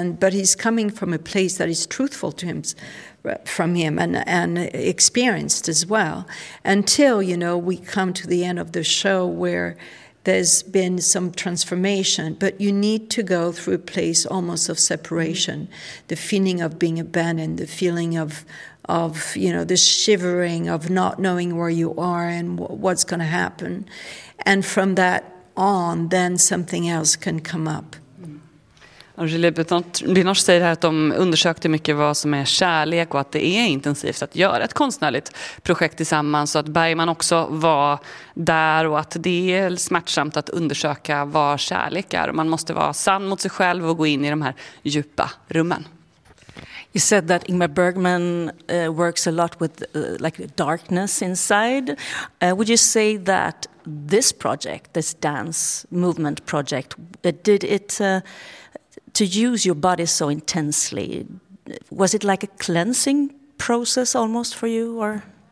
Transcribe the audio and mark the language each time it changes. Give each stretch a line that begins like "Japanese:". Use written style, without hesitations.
English: But he's coming from a place that is truthful to him. From him and experienced as well, until, you know, we come to the end of the show where there's been some transformation, but you need to go through a place almost of separation, the feeling of being abandoned, the feeling of you know, the shivering of not knowing where you are and what's going to happen. And from that on, then something else can come up.
Swedish: Angelique Binoche säger här att de undersökte mycket vad som är kärlek och att det är intensivt att göra ett konstnärligt projekt tillsammans, så att Bergman också var där och att det är smärtsamt att undersöka vad kärlek är. Man måste vara sann mot sig själv och gå in i de här djupa rummen.
English: You said that Ingmar Bergman works a lot with like darkness inside. Would you say that this project, this dance movement project, did it... To use your body so intensely, was it like a cleansing process almost for you, or?